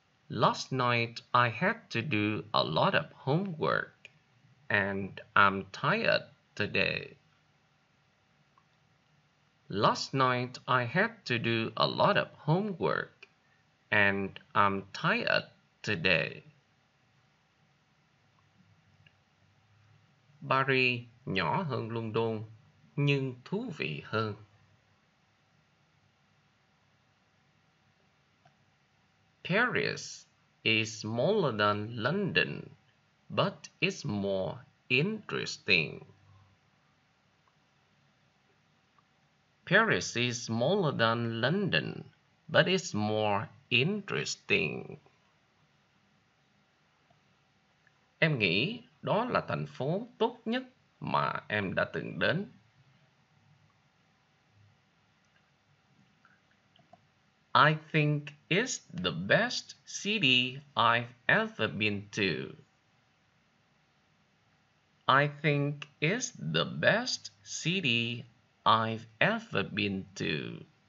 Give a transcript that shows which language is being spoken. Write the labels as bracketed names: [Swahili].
[English] Last night I had to do a lot of homework and I'm tired today. Last night I had to do a lot of homework and I'm tired today. [Vietnamese] Paris nhỏ hơn London nhưng thú vị hơn. [English] Paris is smaller than London, but it's more interesting. Paris is smaller than London, but it's more interesting. [Vietnamese] Em nghĩ đó là thành phố tốt nhất mà em đã từng đến. [English] I think it's the best city I've ever been to. I think it's the best city I've ever been to.